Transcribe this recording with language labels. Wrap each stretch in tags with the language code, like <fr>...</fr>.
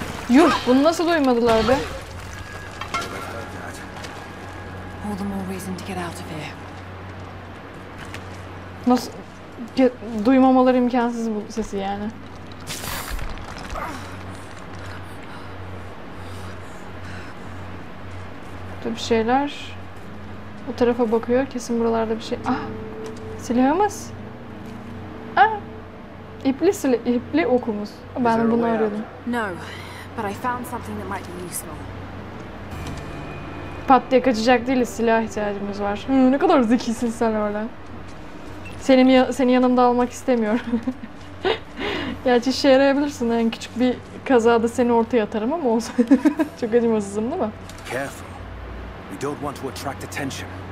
<tr>Yuh, bunu nasıl duymadılar be?</tr> <en>All the more reason to get out of here.</en> <tr>Nasıl duymamaları imkansız bu sesi yani. Burada bir şeyler. O tarafa bakıyor. Kesin buralarda bir şey. Ah! Silahımız. Ah! İpli okumuz. Ben bunu arıyordum.</tr> <en>No. But I found something that might be useful.</en> <tr>Pat diye kaçacak değiliz. Silah ihtiyacımız var. Ne kadar zekisin sen orada. Seni yanımda almak istemiyorum. Gerçi işe yarayabilirsin. En küçük bir kazada seni ortaya atarım ama olsun. Çok acımasızım değil mi?</tr> <en>Careful. We don't want to attract attention.</en>